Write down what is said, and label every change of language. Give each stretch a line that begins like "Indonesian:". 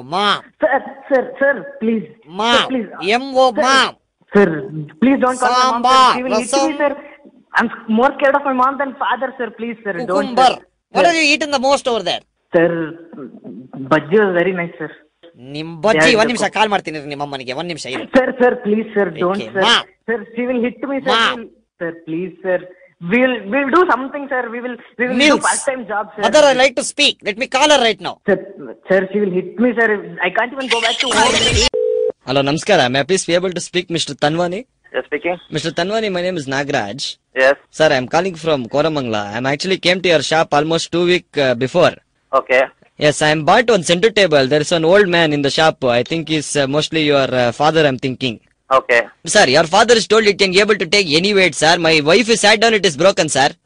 English: Mom. Sir, please. Mom. Sir, please. M.O. Sir, mom. Sir, please don't call Sambar. My mom. Sir. She will eat me, sir. I'm more scared of my mom than father, sir. Please, sir. Cucumber. Don't, sir. What have you eaten the most over there? Sir, bajji was very nice, sir.
Kannada: ನಿಮ್ ಬಜ್ಜಿ ಒಂದ್ ನಿಮಿಷ ಕಾಲ್ ಮಾಡ್ತೀನಿ ನಿಮ್ಮ ಅಮ್ಮನಿಗೆ, ಒಂದ್ ನಿಮಿಷ ಇರಿ
English: Sir. Sir please sir, don't sir. Sir she will hit me sir. Sir please sir, will do something sir. Will do first time job sir. Other I like to speak, let me call her right now. Sir she will hit me sir, I can't even go back to home. Hello ನಮಸ್ಕಾರ, may please be able to speak mister Tanwani? Yes, speaking. Mr. Tanwani, my name is Nagraj. Yes. Sir, I'm calling from Koramangala. I'm actually came to your shop almost 2 weeks before. Okay. Yes, I am bought one center table. There is an old man in the shop. I think he's mostly your father, I'm thinking. Okay. Sir, your father is told it can be able to take any weight, sir. My wife is sat down, it is broken, sir.